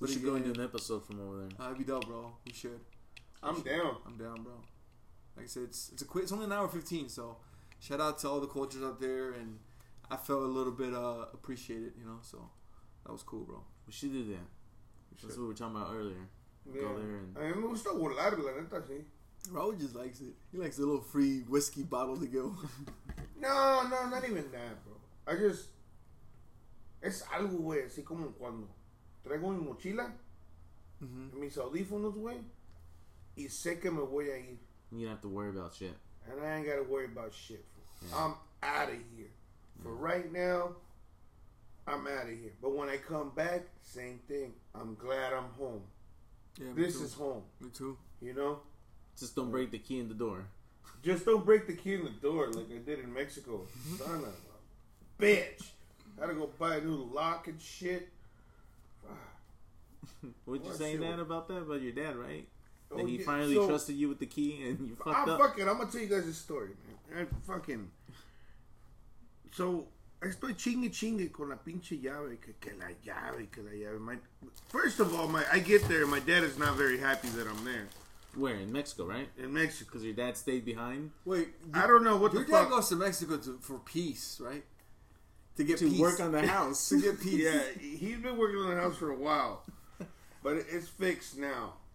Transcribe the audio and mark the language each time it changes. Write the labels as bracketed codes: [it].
[en] We should go into an episode from over there. It'd be dope, bro. We should. I'm down, bro. Like I said, it's only an hour 15, so shout out to all the cultures out there, and I felt a little bit appreciated, you know, so that was cool, bro. We should do that. Sure. That's what we were talking about earlier. Yeah. Go there and... [es] A mí me gusta volar, la neta, sí. [en] Raul just likes it. He likes a little free whiskey bottle to go. No, not even that, bro. I just... [es] Es algo, güey, así como cuando traigo mi mochila, mm-hmm. mis audífonos, güey, y sé que me voy a ir. [en] You don't have to worry about shit. And I ain't got to worry about shit. Yeah. I'm out of here. Yeah. For right now, I'm out of here. But when I come back, same thing. I'm glad I'm home. Yeah, this is home. Me too. You know? Just don't break the key in the door. Just don't break the key in the door like I did in Mexico. Son of a bitch. Had to go buy a new lock and shit. What'd you say, Dad, about that? About your dad, right? That he finally trusted you with the key and you fucked up? I'm going to tell you guys a story, man. [es] So, estoy chingue chingue con la pinche llave. Que la llave. [en] I get there and my dad is not very happy that I'm there. Where? In Mexico, right? In Mexico. Because your dad stayed behind? Wait. I don't know what the fuck. Your dad goes to Mexico for peace, right? To get peace. To work on the house. To get peace. Yeah, he's been working on the house for a while. But it's fixed now.